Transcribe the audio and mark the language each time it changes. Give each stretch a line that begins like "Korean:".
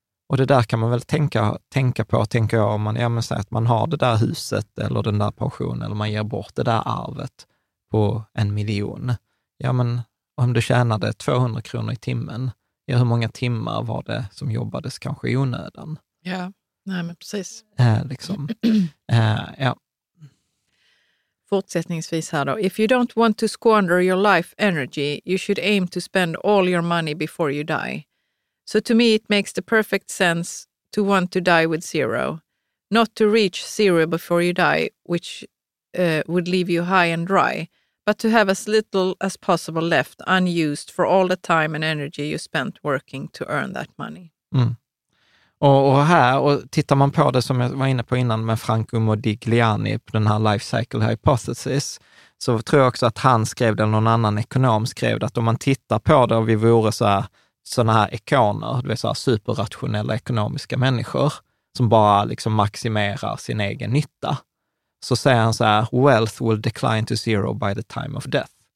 Swedish: Och det där kan man väl tänka på, tänker jag, om man, ja, men, så här, att man har det där huset eller den där pensionen, eller man ger bort det där arvet på 1 miljon. Ja, men om du tjänade 200 kronor i timmen, ja, hur många timmar var det som jobbades kanske i onödan? Ja, nej, men precis. Liksom. Ja. Fortsättningsvis här då.
English: If you don't want to squander your life energy, you should aim to spend all your money before you die. So to me it makes the perfect sense to want to die with zero. Not to reach zero before you die, which would leave you high and dry, but to have as little as possible left unused for all the time and energy you spent working to earn that money. Mm.
Swedish: Och här, och tittar man på det som jag var inne på innan med Franco Modigliani på den här life cycle hypothesis, så tror jag också att han skrev det, någon annan ekonom skrev det, att om man tittar på det och vi vore sådana här ekoner, det vill säga superrationella ekonomiska människor som bara liksom maximerar sin egen nytta, så säger han så här,
English: wealth will decline to zero by the time of death.